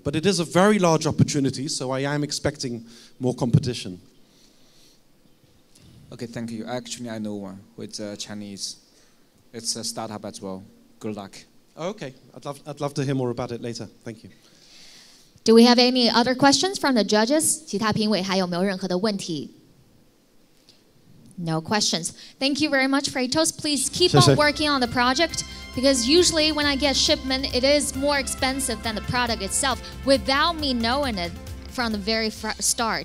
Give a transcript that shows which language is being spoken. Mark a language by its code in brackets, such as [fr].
[en] But it is a very large opportunity, so I am expecting more competition. Okay, thank you. Actually, I know one who is Chinese. It's a startup as well. Good luck. Okay, I'd love to hear more about it later. Thank you. Do we have any other questions from the judges? [zh] 其他评委还有没有任何的问题？ [en] No questions. Thank you very much, Freightos. Please keep [zh] 谢谢. [en] On working on the project, because usually when I get shipment, it is more expensive than the product itself without me knowing it from the very start.